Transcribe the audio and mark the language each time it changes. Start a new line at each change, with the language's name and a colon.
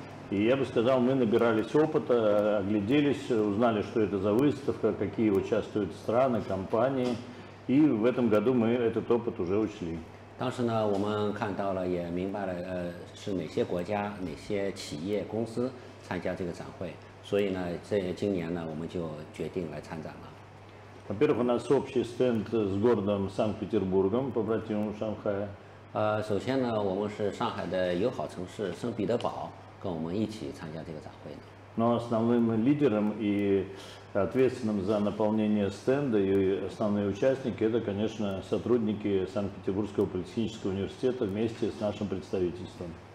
Russian: И я бы сказал, мы набирались опыта, огляделись, узнали, что это за выставка, какие участвуют страны, компании. И в этом году мы этот опыт уже учли.
Chinese: 当时呢, 我们看到了, 也明白了, 是哪些国家, 哪些企业公司参加这个展会, 所以呢, 这今年呢, 我们就决定来参展了。
Russian: Во-первых, у нас общий стенд с городом Санкт-Петербургом, побратимом Шанхая.
Chinese: 首先呢, 我们是上海的友好城市, 圣彼得堡, 跟我们一起参加这个展会呢。
Russian: Но основным лидером и ответственным за наполнение стенда и основные участники это, конечно, сотрудники Санкт-Петербургского политехнического университета вместе с нашим представительством.